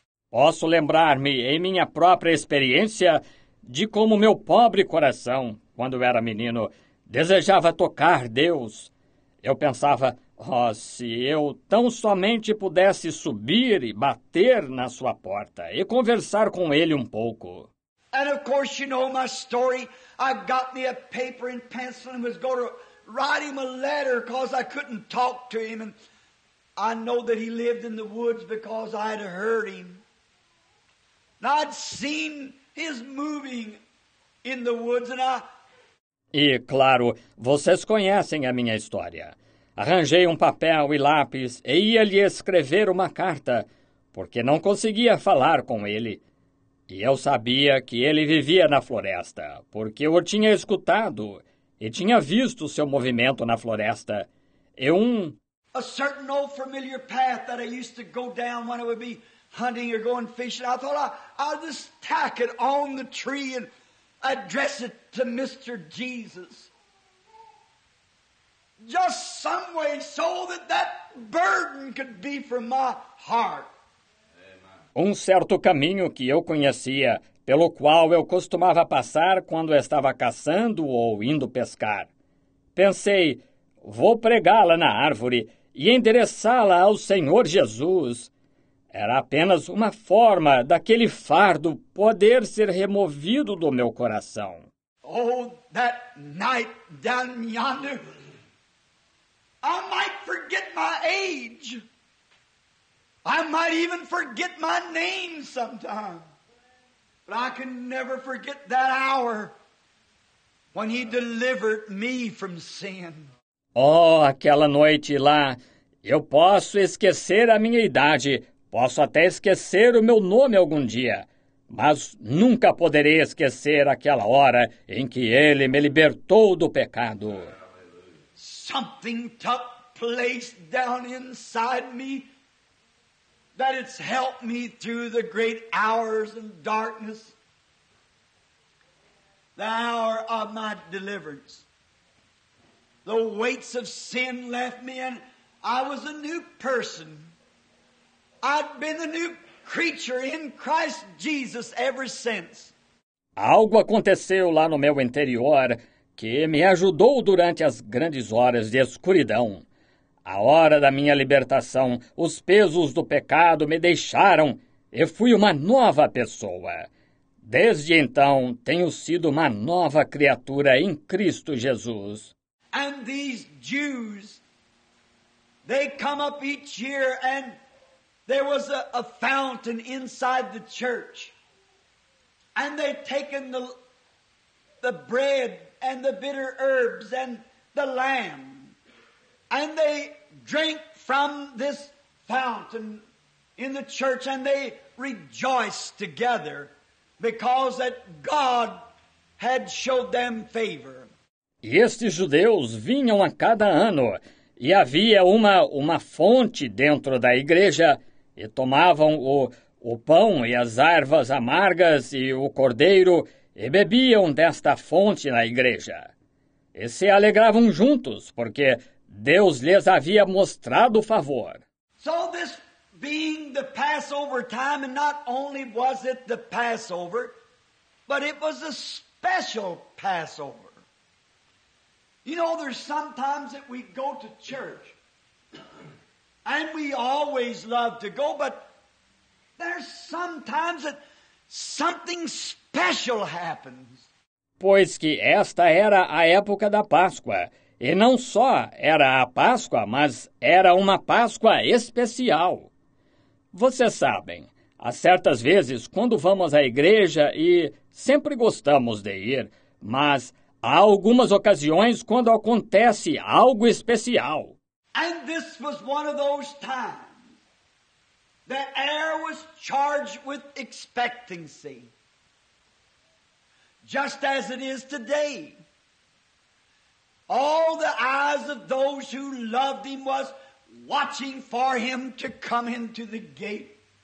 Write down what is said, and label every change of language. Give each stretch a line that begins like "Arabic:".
Portuguese: Posso lembrar-me, em minha própria experiência, de como meu pobre coração, quando era menino, desejava tocar Deus. Eu pensava, oh, se eu tão somente pudesse subir e bater na sua porta e conversar com ele um pouco.
English: And of course you know my story. I got me a paper and pencil and was going to write him a letter because I couldn't talk to him. And I know that he lived in the woods because I had heard him. I'd seen his moving in the woods and I...
Portuguese: E, claro, vocês conhecem a minha história. Arranjei um papel e lápis e ia lhe escrever uma carta, porque não conseguia falar com ele. E eu sabia que ele vivia na floresta, porque eu o tinha escutado e tinha visto seu movimento na floresta. E um...
English: A certain old familiar path that I used to go down when it would be... hunting or going fishing, I thought I'd just tack it on the tree and address it to Mr. Jesus. Just some way so that that burden could be from my heart.
Portuguese: Um certo caminho que eu conhecia, pelo qual eu costumava passar quando estava caçando ou indo pescar. Pensei, vou pregá-la na árvore e endereçá-la ao Senhor Jesus. Era apenas uma forma daquele fardo poder ser removido do meu coração.
English: Oh, that night down yonder, I might forget my age. I might even forget my name sometime. But I can never forget that hour when he delivered me from sin.
Portuguese: Oh, aquela noite lá, eu posso esquecer a minha idade. Posso até esquecer o meu nome algum dia, mas nunca poderei esquecer aquela hora em que ele me libertou do pecado.
English: Something took place down inside me that it's helped me through the great hours and darkness. The hour of my deliverance. The weights of sin left me and I was a new person. I'd been a new creature in Christ Jesus ever since.
Portuguese: Algo aconteceu lá no meu interior que me ajudou durante as grandes horas de escuridão. A hora da minha libertação, os pesos do pecado me deixaram e fui uma nova pessoa. Desde então, tenho sido uma nova criatura em Cristo Jesus.
English: And these Jews, they come up each year and there was a fountain inside the church. And they'd taken the bread and the bitter herbs and the lamb. And they drank from this fountain in the church. And they rejoiced together because that God had showed them favor.
Portuguese: E estes judeus vinham a cada ano. E havia uma fonte dentro da igreja. E tomavam o pão e as ervas amargas e o cordeiro e bebiam desta fonte na igreja. E se alegravam juntos, porque Deus lhes havia mostrado favor.
English: So this being the Passover time, and not only was it the Passover, but it was a special Passover. You know, there's sometimes that we go to church. And we always love to go, but there's sometimes that something special happens.
Portuguese: Pois que esta era a época da Páscoa, e não só era a Páscoa, mas era uma Páscoa especial. Vocês sabem, Há certas vezes, quando vamos à igreja e sempre gostamos de ir, mas há algumas ocasiões quando acontece algo especial.
English: And this was one of those times. The air was charged with expectancy. Just as it is today. All the eyes of those who loved him was watching for him to come into the gate.